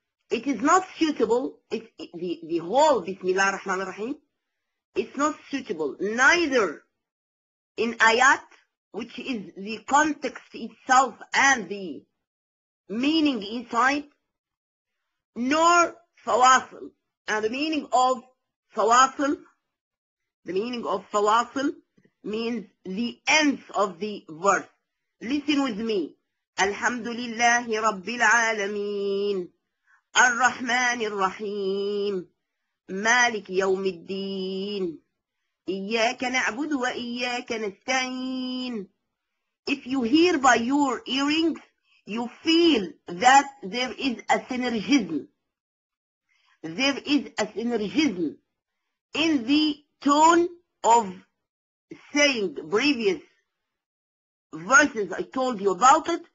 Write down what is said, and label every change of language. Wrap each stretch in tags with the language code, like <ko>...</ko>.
<en>It is not suitable, the whole</en> <ar>Bismillah ar-Rahman ar-Rahim,</ar> <en>it's not suitable, neither in ayat, which is the context itself and the meaning inside, nor fawasil, and the meaning of fawasil means the ends of the verse. Listen with me.</en> <ar>Alhamdulillahi Rabbil Alameen. الرحمن الرحيم مالك يوم الدين إياك نعبد وإياك نستعين.</ar> <en>If you hear by your earrings, you feel that there is a synergism. There is a synergism in the tone of saying previous verses I told you about it.</en>